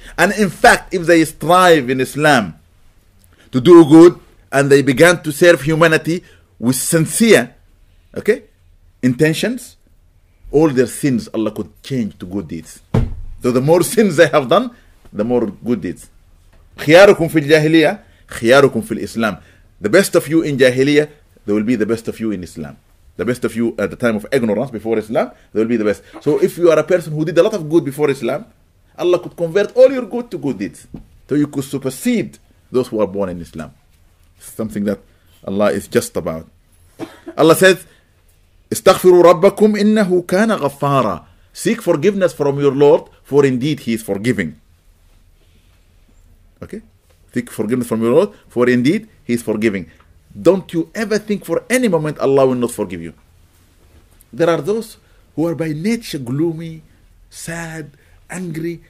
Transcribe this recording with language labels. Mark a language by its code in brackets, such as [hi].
[en] And in fact, if they strive in Islam to do good and they began to serve humanity with sincere, okay, intentions, all their sins Allah could change to good deeds. So the more sins they have done, the more good deeds. [ar] خياركم في الجاهلية خياركم في الإسلام. [en] The best of you in Jahiliyyah, they will be the best of you in Islam. The best of you at the time of ignorance before Islam, they will be the best. So if you are a person who did a lot of good before Islam, Allah could convert all your good to good deeds. So you could supersede those who are born in Islam. Something that Allah is just about. Allah says, [ar] استغفروا ربكم إنه كان غفارا. [en] Seek forgiveness from your Lord, for indeed He is forgiving. Okay? Seek forgiveness from your Lord, for indeed He is forgiving. Don't you ever think for any moment Allah will not forgive you. There are those who are by nature gloomy, sad, angry.